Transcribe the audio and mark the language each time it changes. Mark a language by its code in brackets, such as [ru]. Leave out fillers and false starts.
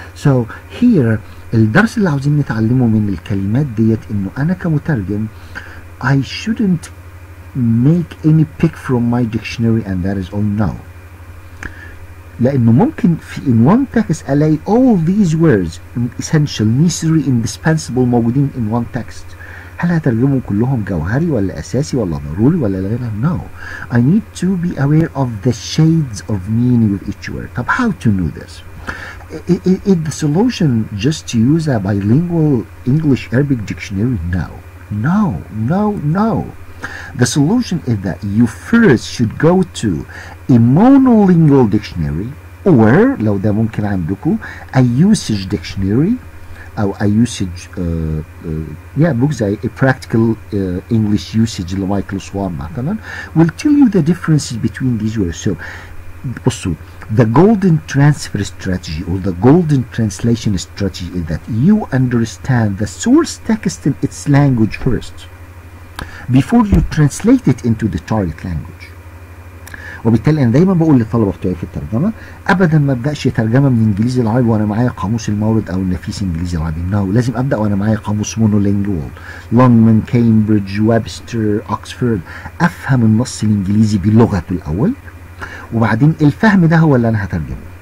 [en] So here [ar] الدرس اللي عاوزين نتعلمه من الكلمات ديت إنه أنا كمترجم [en] I shouldn't make any pick from my dictionary and that is all now. [ar] لأنه ممكن في [en] in one text ألاقي all these words essential, necessary, indispensable موجودين in one text. [ar] هل هترجمهم كلهم جوهري ولا أساسي ولا ضروري ولا لا غير؟ No. [en] I need to be aware of the shades of meaning with each word. طب how to know this? Is the solution just to use a bilingual English Arabic dictionary? No, no, no, no. The solution is that you first should go to a monolingual dictionary, or [ar] لو ده ممكن عندكم [en] a usage dictionary أو a usage books زي a practical English usage لمايكل Swan مثلا will tell you the differences between these words. So بصوا, the golden transfer strategy or the golden translation strategy is that you understand the source text in its language first before you translate it into the target language. [ar] وبالتالي انا دايما بقول للطلبه بتوعي في الترجمه, ابدا ما ابداش ترجمه من انجليزي العربي وانا معايا قاموس المورد او النفيس انجليزي العربي. نو, لازم ابدا وانا معايا قاموس مونولينجوال لونجمان كامبريدج ويبستر اوكسفورد, افهم النص الانجليزي بلغته الاول, وبعدين الفهم ده هو اللي انا هترجمه.